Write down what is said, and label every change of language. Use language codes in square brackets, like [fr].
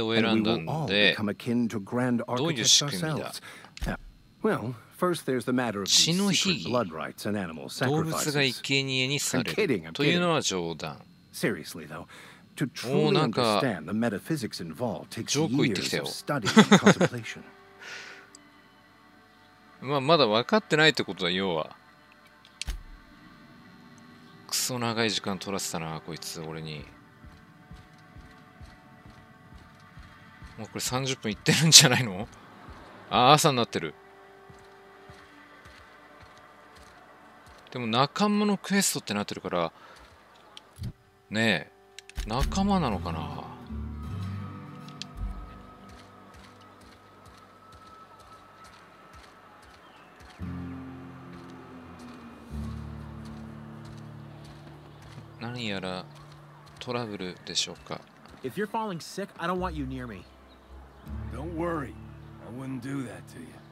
[en] we will all become akin to grand architects ourselves. Well, first there's the matter of secret blood rites and animal sacrifices. I'm kidding, I'm kidding. Seriously though, to truly understand the metaphysics involved takes years of study and contemplation. [ja] まだ分かってないってことだ、要は。クソ長い時間取らせたな、こいつ、俺に。もうこれ30分いってるんじゃないの?あ、朝になってる。でも仲間のクエストってなってるから、ねえ、仲間なのかな。何やらトラブルでしょうか。 [en] If you're falling sick, I don't want you near me. Don't worry, I wouldn't do that to you.